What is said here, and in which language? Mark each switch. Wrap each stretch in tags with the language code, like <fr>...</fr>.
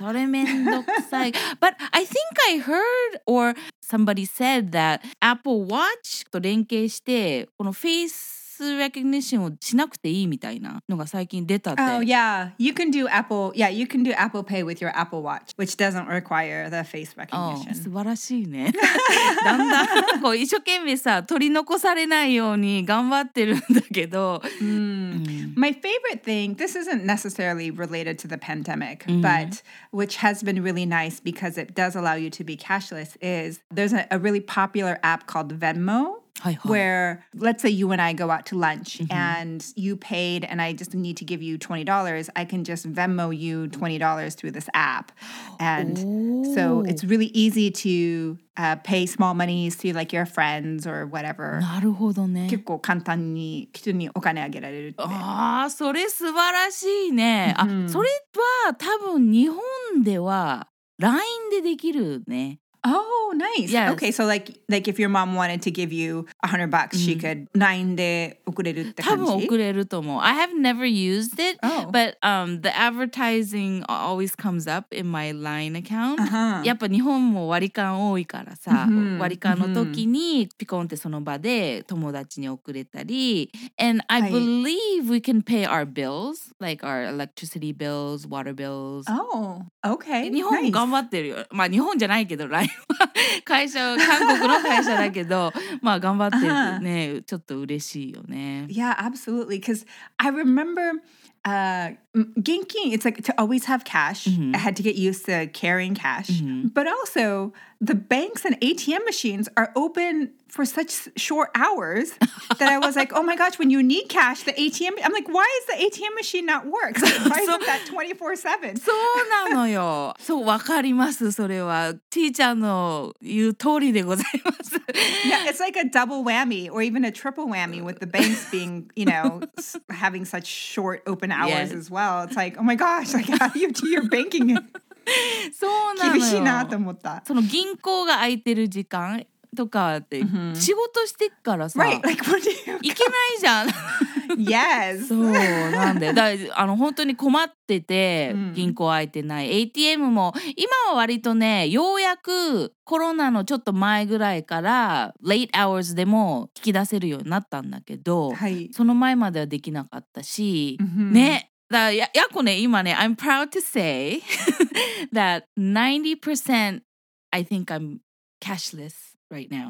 <ja>それめんどくさい。</ja> <en>But I think I heard or somebody said that Apple Watch</en> <ja>と連携してこのフェイスレコグニッションをしなくていいみたいなのが最近出たって。</ja> <en>Oh yeah, you can do Apple. Yeah, you can do Apple Pay with your Apple Watch, which doesn't require the face recognition. Oh,</en> <ja>素晴らしいね。だんだんこう一生懸命さ取り残されないように頑張ってるんだけど。</ja> <en>My favorite thing, this isn't necessarily related to the pandemic, but which has been really nice because it does allow you to be cashless, is there's a really popular app called Venmo. Where, let's say you and I go out to lunch and you paid and I just need to give you $20, I can just Venmo you $20 through this app. And so it's really easy to pay small monies to like your friends or whatever.</en> <ja>なるほどね。結構簡単に人にお金あげられるって。ああ、それ素晴らしいね。あ、それは多分日本では LINE でできるね。</ja> <en>Oh, nice. Yes. Okay, so like if your mom wanted to give you $100, she could LINE</en> <ja>で送れるって感じ? 多分送れると思う。</ja> <en>I have never used it, but the advertising always comes up in my LINE account. Uh-huh.</en> <ja>やっぱ日本も割り勘多いからさ、割り勘の時にピコンってその場で友達に送れたり。</ja> <en>And I believe we can pay our bills, like our electricity bills, water bills. Oh, okay.</en> <ja>日本も頑張ってるよ。まあ日本じゃないけど、会社韓国の会社だけど、まあ頑張ってね、ちょっと嬉しいよね。</ja> <en>Yeah, absolutely. Because I remember, Genkin, it's like to always have cash. I had to get used to carrying cash. But also, the banks and ATM machines are open for such short hours that I was like, oh my gosh, when you need cash, the ATM, I'm like, why is the ATM machine not work? Why isn't that 24/7?</en> <ja>そうなのよ。そう、わかります、それは。ティーちゃんの言う通りでございます。</ja> <en>Yeah, it's like a double whammy or even a triple whammy with the banks being, you know, having such short open hours. Yes. As well, it's like, oh my gosh, like how you do your banking.</en> <ja>そうなのよ。厳しいなと思った。その銀行が空いてる時間とかって、仕事してっからさ、</ja> <en>right. like, what do you come?</en> <ja>行けないじゃん。</ja> <en>Yes.</en> <ja>そうなんだよ。だから、本当に困ってて、銀行空いてない。 ATM も、今は割とね、ようやくコロナのちょっと前ぐらいから、</ja> <en>late hours</en> <ja>でも引き出せるようになったんだけど、はい、その前まではできなかったし、ね。ヤコね、今ね、</ja> <en>I'm proud to say that 90% I think I'm cashless right now.</en>